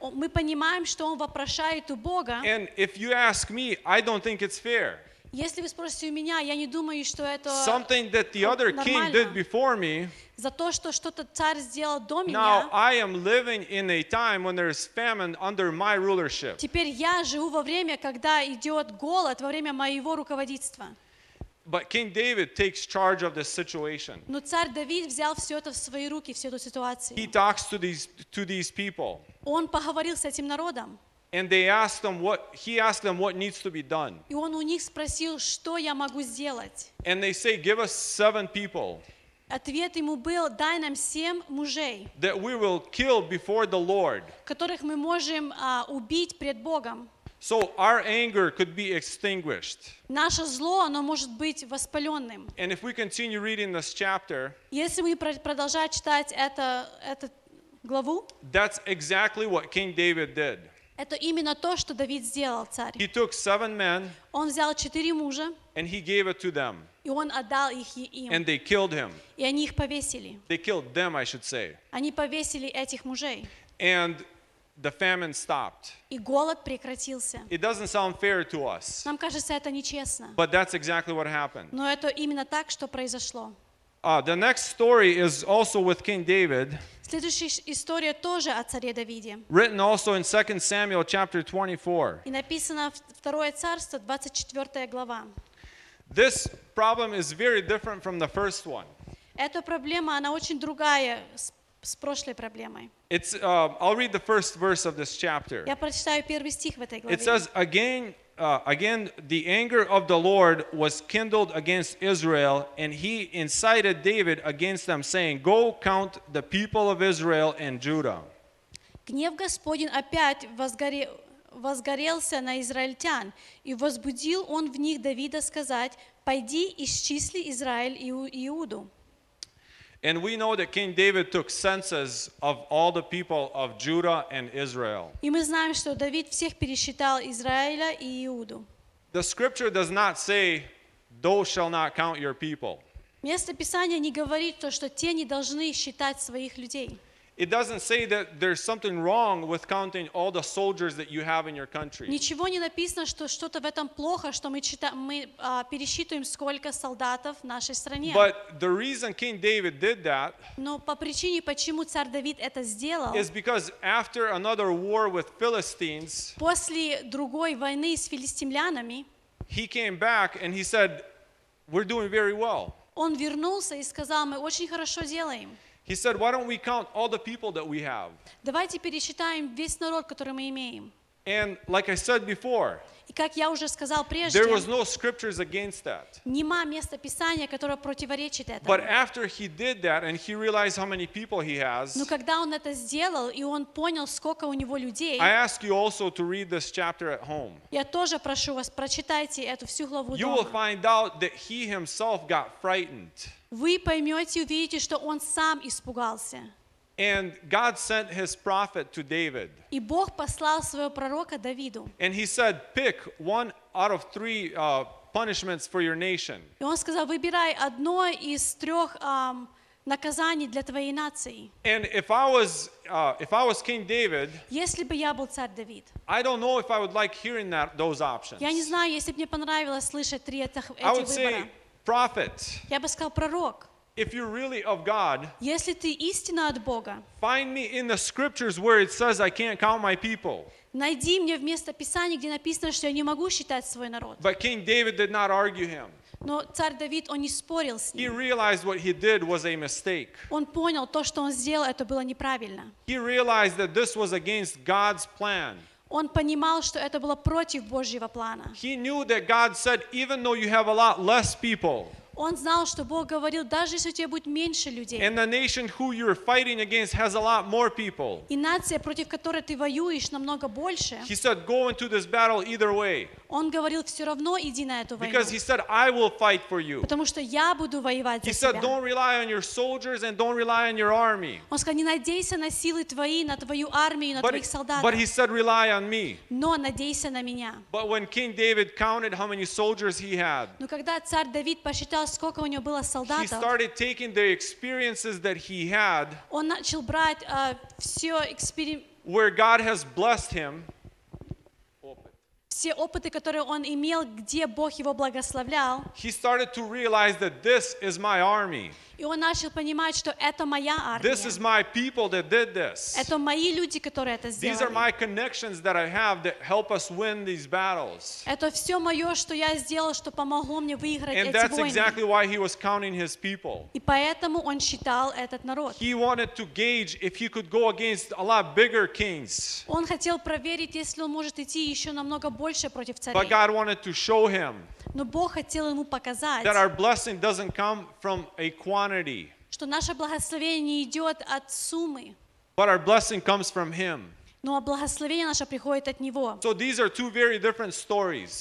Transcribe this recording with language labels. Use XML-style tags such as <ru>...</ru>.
<ru>Мы понимаем, что он вопрошает у Бога.</ru> <en>And if you ask me, I don't think it's fair.</en> <ru>Если вы спросите у меня, я не думаю, что это нормально.</ru> <en>Something that the other king did before me.</en> <ru>За то, что что-то царь сделал до меня.</ru> <en>Now I am living in a time when there is famine under my rulership.</en> <ru>Теперь я живу во время, когда идет голод во время моего руководства.</ru> <en>But King David takes charge of this situation.</en> <ru>Но царь Давид взял все это в свои руки, всю эту ситуацию.</ru> <en>He talks to these people.</en> <ru>Он поговорил с этим народом.</ru> <en>And they asked him what he asked them what needs to be done.</en> <ru>И он у них спросил, что я могу сделать.</ru> <en>And they say, give us 7 people.</en> <ru>Ответ ему был: дай нам 7 мужей.</ru> <en>That we will kill before the Lord.</en> <ru>Которых мы можем убить пред Богом.</ru> <en>So our anger could be extinguished.</en> <ru>Наше зло, оно может быть воспаленным.</ru> <en>And if we continue reading this chapter.</en> <ru>Если мы продолжать читать эту главу.</ru> <en>That's exactly what King David did.</en> <ru>Это именно то, что Давид сделал, царь.</ru> <en>He took 7 men.</en> <ru>Он взял 4 мужа.</ru> <en>And he gave it to them.</en> <ru>И он отдал их им.</ru> <en>And they killed him.</en> <ru>И они их повесили.</ru> <en>They killed them, I should say.</en> <ru>Они повесили этих мужей.</ru> <en>And the famine stopped.</en> <ru>И голод прекратился.</ru> <en>It doesn't sound fair to us.</en> <ru>Нам кажется, это нечестно.</ru> <en>But that's exactly what happened.</en> <ru>Но это именно так, что произошло.</ru> <en>The next story is also with King David.</en> <ru>Следующая история тоже о царе Давиде.</ru> <en>Written also in 2 Samuel chapter 24.</en> <ru>И написано в Второе царство, 24 глава.</ru> <en>This problem is very different from the first one.</en> <ru>Эта проблема, она очень другая с прошлой проблемой.</ru> <en>It's I'll read the first verse of this chapter.</en> <ru>Я прочитаю первый стих в этой главе.</ru> <en>It says again, the anger of the Lord was kindled against Israel, and he incited David against them, saying, "Go count the people of Israel and Judah."</en> <ru>Гнев Господень опять возгорелся на израильтян, и возбудил он в них Давида сказать: "Пойди исчисли Израиль и Иуду."</ru> <en>And we know that King David took census of all the people of Judah and Israel.</en> <ru>И мы знаем, что Давид всех пересчитал Израиля и Иуду.</ru> <en>The scripture does not say, "Thou shall not count your people."</en> <ru>Место Писания не говорит то, что те не должны считать своих людей.</ru> <en>It doesn't say that there's something wrong with counting all the soldiers that you have in your country.</en> <ru>Ничего не написано, что что-то в этом плохо, что мы пересчитываем сколько солдатов в нашей стране.</ru> <en>But the reason King David did that.</en> <ru>Но по причине, почему царь Давид это сделал.</ru> <en>Is because after another war with Philistines.</en> <ru>После другой войны с филистимлянами.</ru> <en>He came back and he said, "We're doing very well."</en> <ru>Он вернулся и сказал: "Мы очень хорошо делаем."</ru> <en>He said, "Why don't we count all the people that we have?"</en> <ru>Давайте пересчитаем весь народ, который мы имеем.</ru> <en>And like I said before.</en> <ru>И как я уже сказал прежде.</ru> <en>There was no scriptures against that.</en> <ru>Нема места Писания, которое противоречит этому.</ru> <en>But after he did that and he realized how many people he has.</en> <ru>Но когда он это сделал и он понял, сколько у него людей.</ru> <en>I ask you also to read this chapter at home.</en> <ru>Я тоже прошу вас, прочитайте эту всю главу дома.</ru> <en>You will find out that he himself got frightened.</en> <ru>Вы поймете, увидите, что он сам испугался.</ru> <en>And God sent his prophet to David.</en> <ru>И Бог послал своего пророка Давиду.</ru> <en>And he said, "Pick one out of 3 punishments for your nation."</en> <ru>И он сказал: "Выбирай одно из трех наказаний для твоей нации.</ru> <en>And if I was King David,</en> <ru>если бы я был царь Давид,</ru> <en>I don't know if I would like hearing that those options.</en> <ru>Я не знаю, если бы мне понравилось слышать три этих выбора.</ru> <en>I would say prophet.</en> <ru>Я бы сказал пророк.</ru> <en>If you're really of God,</en> <ru>если ты истинно от Бога,</ru> <en>find me in the scriptures where it says I can't count my people.</en> <ru>Найди мне в место Писания, где написано, что я не могу считать свой народ.</ru> <en>But King David did not argue him.</en> <ru>Но царь Давид, он не спорил с ним.</ru> <en>He realized what he did was a mistake.</en> <ru>Он понял, то, что он сделал, это было неправильно.</ru> <en>He realized that this was against God's plan.</en> <ru>Он понимал, что это было против Божьего плана.</ru> <en>He knew that God said, even though you have a lot less people,</en> <ru>он знал, что Бог говорил, даже если у тебя будет меньше людей.</ru> <en>And the nation who you're fighting against has a lot more people.</en> <ru>И нация, против которой ты воюешь, намного больше.</ru> <en>He said, go into this battle either way.</en> <ru>Он говорил, все равно иди на эту войну.</ru> <en>Because he said, I will fight for you.</en> <ru>Потому что я буду воевать за</ru> <en>he</en> <ru>тебя.</ru> <en>He said, don't rely on your soldiers and don't rely on your army.</en> <ru>Он сказал, не надейся на силы твои, на твою армию, на твоих солдат.</ru> <en>But he said, rely on me.</en> <ru>Но надейся на меня.</ru> <en>But when King David counted how many soldiers he had,</en> <ru>но когда царь Давид посчитал, сколько у него было солдатов,</ru> <en>he started taking the experiences that he had,</en> <ru>он начал брать все</ru> <en>where God has blessed him,</en> <ru>все опыты, которые он имел, где Бог его благословлял,</ru> <en>he started to realize that this is my army.</en> <ru>И он начал понимать, что это моя армия.</ru> <en>This is my people that did this.</en> <ru>Это мои люди, которые это сделали.</ru> <en>These are my connections that I have that help us win these battles.</en> <ru>Это все мое, что я сделал, что помогло мне выиграть эти войны.</ru> <en>And that's exactly why he was counting his people.</en> <ru>И поэтому он считал этот народ.</ru> <en>He wanted to gauge if he could go against a lot bigger kings.</en> <ru>Он хотел проверить, если он может идти еще намного больше против царей.</ru> <en>But God wanted to show him.</en> <ru>Но Бог хотел ему показать,</ru> <en>that our blessing doesn't come from a quantity,</en> <ru>что наше благословение не идет от суммы,</ru> <en>but our blessing comes from Him.</en> <ru>Но благословение наше приходит от Него.</ru> <en>So these are two very different stories.</en>